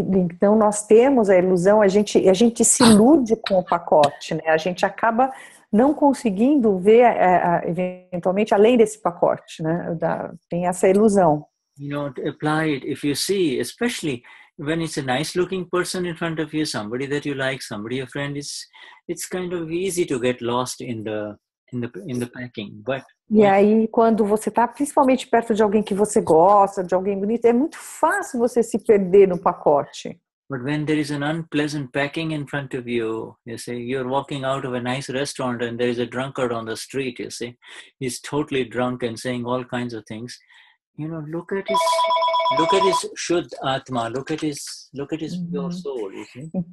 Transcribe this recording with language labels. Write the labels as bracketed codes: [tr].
[pt] Então nós temos a ilusão, a gente se ilude com o pacote, né? A gente acaba não conseguindo ver eventualmente além desse pacote, né? Tem essa ilusão. [en] You know, apply it. If you see, especially when it's a nice-looking person in front of you, somebody that you like, somebody a friend, it's kind of easy to get lost in the packing, but. [pt] E aí, quando você está principalmente perto de alguém que você gosta, de alguém bonito, é muito fácil você se perder no pacote. [en] But when there is an unpleasant packing in front of you, you say you're walking out of a nice restaurant and there is a drunkard on the street, you see, he's totally drunk and saying all kinds of things. You know, look at his Shuddhatma, look at his pure soul, you see.